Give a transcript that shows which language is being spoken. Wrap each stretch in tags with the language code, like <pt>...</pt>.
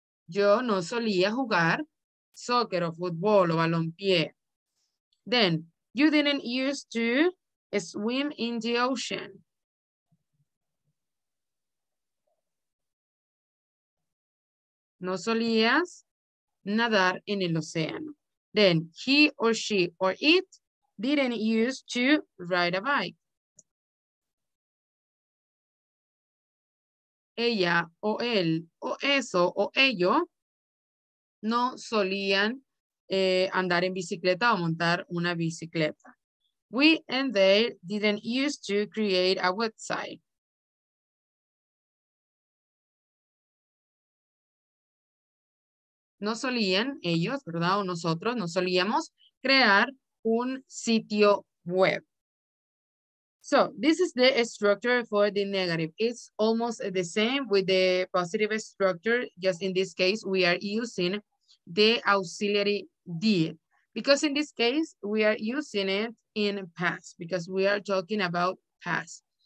<es>Yo no solía jugar soccer o fútbol o balompié.</es> <en>Then, you didn't use to swim in the ocean.</en> <es>No solías nadar en el océano.</es> <en>Then, he or she or it didn't use to ride a bike.</en> <es>Ella o él o eso o ello no solían andar en bicicleta o montar una bicicleta.</es> <en>We and they didn't use to create a website.</en> <es>No solían ellos, ¿verdad? O nosotros no solíamos crear un sitio web.</es> <en>So, this is the structure for the negative. It's almost the same with the positive structure. Just in this case, we are using the auxiliary did. Because in this case, we are using it in past, because we are talking about past.</en>